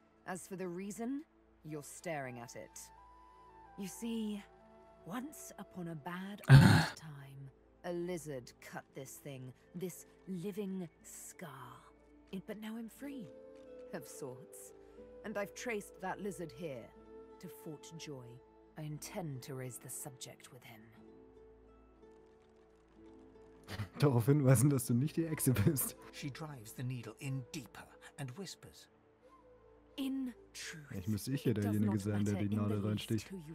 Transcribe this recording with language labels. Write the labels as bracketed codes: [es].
[en] As for the reason, you're staring at it. You see, once upon a bad old time, a lizard cut this thing, this living scar. It, but now I'm free, of sorts. And I've traced that lizard here to Fort Joy. I intend to raise the subject with him. [de] Darauf hinweisen, dass du nicht die Echse bist. [en] She drives the needle in deeper and whispers. In truth, [de] ich müsste ich ja derjenige sein, der die Nadel reinsticht.